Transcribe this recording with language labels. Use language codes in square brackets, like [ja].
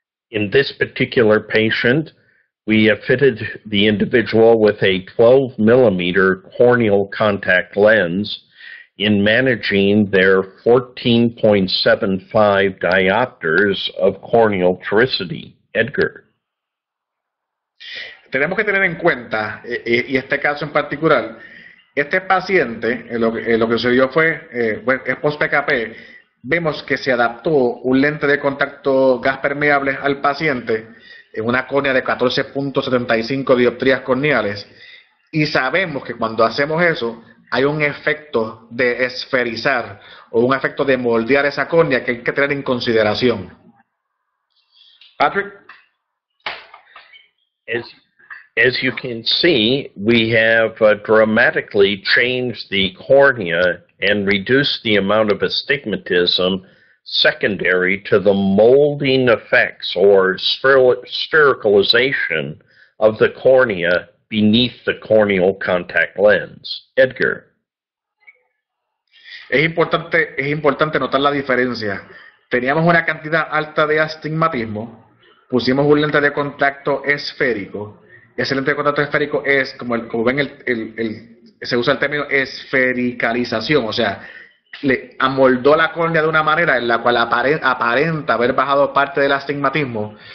[en] In this particular patient, we have fitted the individual with a 12 millimeter corneal contact lens, in managing their 14.75 diopters of corneal toricity. Edgar. [es] Tenemos que tener en cuenta, y este caso en particular, este paciente, lo que sucedió fue, es post-PKP, vemos que se adaptó un lente de contacto gas permeable al paciente, en una córnea de 14.75 dioptrías corneales, y sabemos que cuando hacemos eso, hay un efecto de esferizar, o un efecto de moldear esa córnea que hay que tener en consideración. Patrick. [en] As you can see, we have dramatically changed the cornea and reduced the amount of astigmatism secondary to the molding effects or sphericalization of the cornea beneath the corneal contact lens. Edgar. [es] Es importante notar la diferencia. Teníamos una cantidad alta de astigmatismo, pusimos un lente de contacto esférico. Ese lente de contacto esférico es, como ven, se usa el término esfericalización, o sea, le amoldó la córnea de una manera en la cual aparenta haber bajado parte del astigmatismo.